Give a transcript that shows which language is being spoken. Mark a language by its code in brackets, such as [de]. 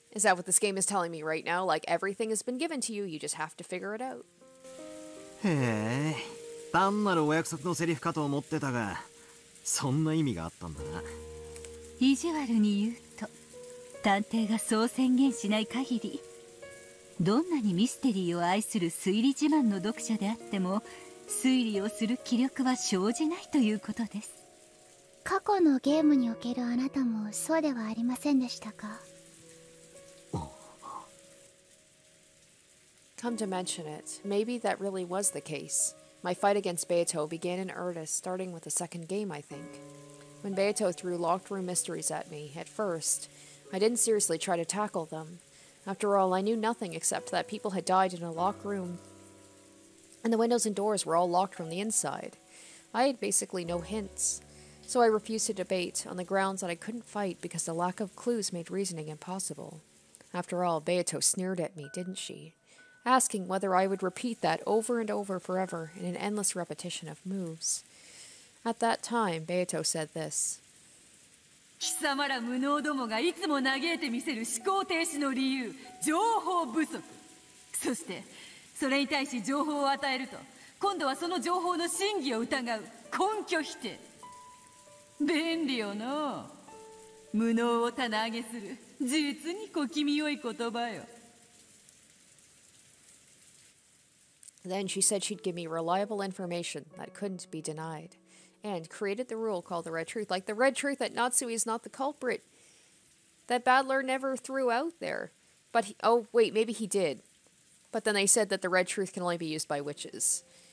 [en] Is that what this game is telling me right now? Like everything has been given to you, you just have to figure it out. [ja] へえ、単なるお約束のセリフかと思ってたが、そんな意味があったんだな。意地悪に言うと、探偵がそう宣言しない限り、どんなにミステリーを愛する推理自慢の読者であっても、推理をする気力は生じないということです。過去のゲームにおけるあなたもそうではありませんでしたか? [en] Come to mention it, maybe that really was the case. My fight against Beato began in earnest, starting with the second game, I think. When Beato threw locked room mysteries at me, at first, I didn't seriously try to tackle them. After all, I knew nothing except that people had died in a locked room, and the windows and doors were all locked from the inside. I had basically no hints, so I refused to debate on the grounds that I couldn't fight because the lack of clues made reasoning impossible. After all, Beato sneered at me, didn't she? Asking whether I would repeat that over and over forever in an endless repetition of moves. At that time, Beato said this. [ja] "貴様ら無能どもがいつも嘆いて見せる思考停止の理由、情報不足。そして、それに対し情報を与えると今度はその情報の真偽を疑う根拠否定。便利よの。無能を棚上げする実に小気味よい言葉よ。 [en] Then she said she'd give me reliable information that couldn't be denied, and created the rule called the Red Truth, like the Red Truth that Natsui is not the culprit, that Battler never threw out there. But he, oh wait, maybe he did. But then they said that the Red Truth can only be used by witches.